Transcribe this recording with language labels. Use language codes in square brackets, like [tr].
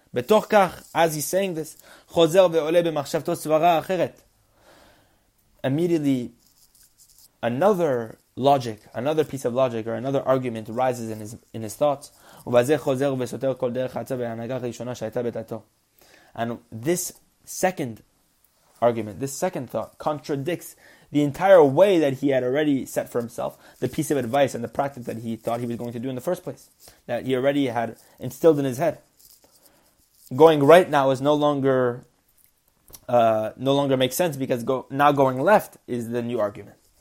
[he] בתוך כך, [en] as he's saying this, [he] חוזר ועולה במחשבתו סברה אחרת. [en] Immediately, another logic, another piece of logic or another argument rises in his thoughts. [he] וזה חוזר וסותר כל דרך חצה והנהגה הראשונה שהייתה בדעתו. [en] And this second argument, this second thought, contradicts the entire way that he had already set for himself, the piece of advice and the practice that he thought he was going to do in the first place, that he already had instilled in his head. Going right now is no longer makes sense, because now going left is the new argument.